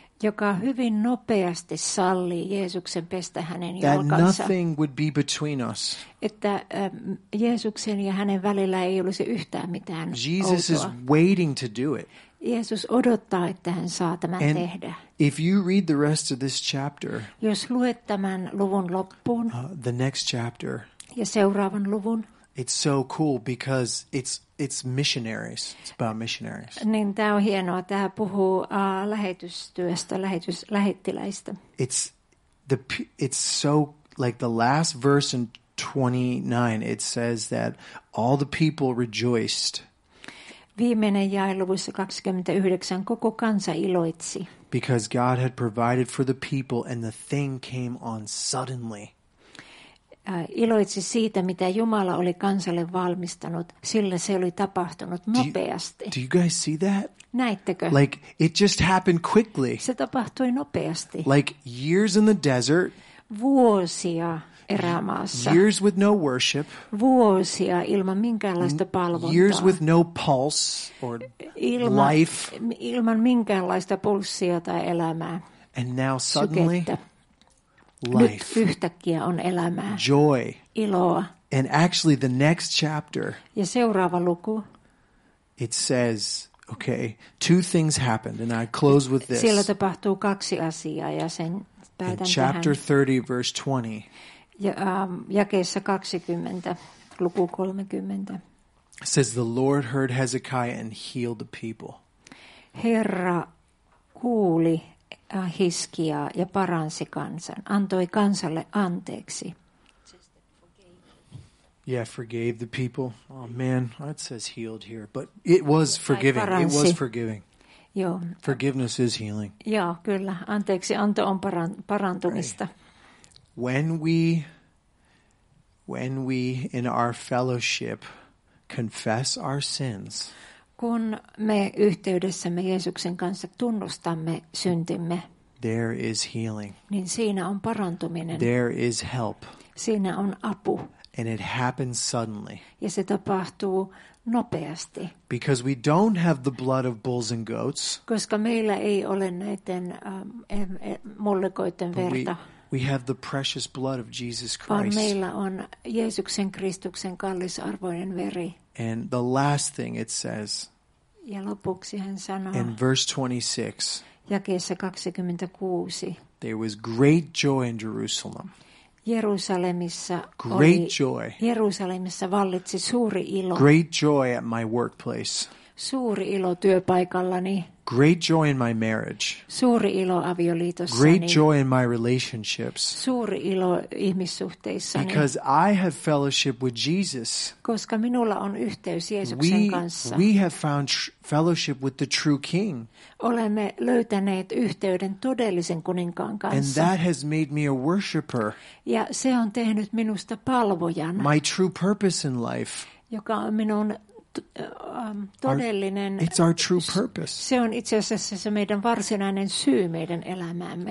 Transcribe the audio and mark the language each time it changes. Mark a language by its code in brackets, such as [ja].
[fi] Joka hyvin nopeasti sallii Jeesuksen pestä hänen jalkansa. [en] That nothing would be between us. [fi] Että Jeesuksen ja hänen välillä ei olisi yhtään mitään outoa. [en] Jesus is waiting to do it. [fi] Jeesus odottaa, että hän saa tämän [en] and [fi] tehdä. [en] If you read the rest of this chapter, [fi] jos luet tämän luvun loppuun, [en] the next chapter, [fi] ja seuraavan luvun, [en] it's so cool because it's missionaries. It's about missionaries. [fi] Niin tämä on hienoa. Tämä puhuu lähetystyöstä, lähettiläistä. [en] It's so like the last verse in 29. It says that all the people rejoiced. [fi] Viimeinen jae luvussa 29 koko kansa iloitsi. [en] Because God had provided for the people and the thing came on suddenly. [fi] Iloitsi siitä, mitä Jumala oli kansalle valmistanut, sillä se oli tapahtunut nopeasti. [en] Do you guys see that? [fi] Näittekö? [en] Like it just happened quickly. [fi] Se tapahtui nopeasti. [en] Like years in the desert. [fi] Vuosia erämaassa. [en] Years with no worship. [fi] Vuosia ilman minkäänlaista palvontaa. [en] Years with no pulse or life. [fi] Ilman minkäänlaista pulssia tai elämää. [en] And now suddenly life. [fi] Nyt yhtäkkiä on elämää. [en] Joy. [fi] Iloa. [en] And actually the next chapter. [fi] Ja seuraava luku. [en] It says, okay, two things happened and I close with this. [fi] Siellä tapahtuu kaksi asiaa ja sen päätän tähän. [en] Chapter 30 verse 20. [fi] Ja jakeessa 20 luku 30. [en] It says the Lord heard Hezekiah and healed the people. [fi] Herra kuuli Hiskiaa ja paransi kansan, antoi kansalle anteeksi. [en] Yeah, forgave the people. Oh man, it says healed here, but it was forgiving. [fi] Paransi. [en] It was forgiving. [fi] Joo. [en] Forgiveness is healing. [fi] Joo, kyllä. Anteeksi anto on parantumista. [en] Right. When we in our fellowship confess our sins, [fi] kun me yhteydessämme Jeesuksen kanssa tunnustamme syntimme, [en] there is healing. [fi] Niin siinä on parantuminen. [en] There is help. [fi] Siinä on apu. [en] And it happens suddenly. [fi] Ja se tapahtuu nopeasti. [en] Because we don't have the blood of bulls and goats. [fi] Koska meillä ei ole näiden mullikoiden verta. [en] We have the precious blood of Jesus Christ. [fi] Vaan meillä on Jeesuksen Kristuksen kallisarvoinen veri. [en] And the last thing it says. [fi] Ja lopuksi hän sanoo. [en] In verse 26. [fi] Jakeessa 26. [en] There was great joy in Jerusalem. [fi] Jerusalemissa [en] great [fi] oli [en] joy. [fi] Jerusalemissa vallitsi suuri ilo. [en] Great joy at my workplace. [fi] Suuri ilo työpaikallani. [en] Great joy in my marriage. [fi] Suuri ilo avioliitossani. [en] Great joy in my relationships. [fi] Suuri ilo ihmissuhteissani. [en] Because I have fellowship with Jesus. [fi] Koska minulla on yhteys Jeesuksen kanssa. [en] We have found fellowship with the true King. [fi] Olemme löytäneet yhteyden todellisen kuninkaan kanssa. [en] And that has made me a worshipper. [fi] Ja se on tehnyt minusta palvojan. [en] My true purpose in life. [fi] Joka on minun todellinen, [en] it's our true purpose. [fi] Se on itse asiassa se meidän varsinainen syy meidän elämäämme.